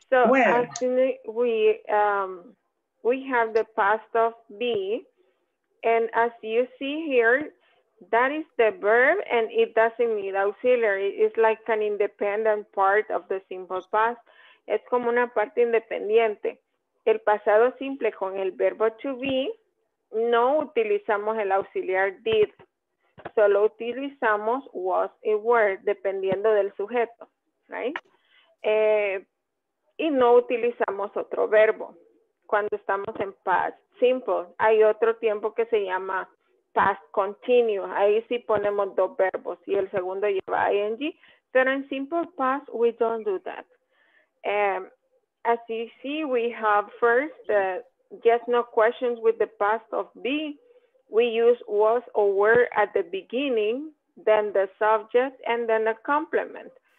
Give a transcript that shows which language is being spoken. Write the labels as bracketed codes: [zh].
[en] So, actually, we have the past of B. And as you see here, that is the verb, and it doesn't need auxiliary. It's like an independent part of the simple past. [es] Es como una parte independiente. El pasado simple con el verbo to be, no utilizamos el auxiliar did. Solo utilizamos was y were, dependiendo del sujeto, right? Y no utilizamos otro verbo cuando estamos en past simple. Hay otro tiempo que se llama past continuous. Ahí sí ponemos dos verbos y el segundo lleva ing. Pero en [en] simple past, we don't do that. As you see, we have first the yes, no questions with the past of be. We use was or were at the beginning, then the subject, and then the complement.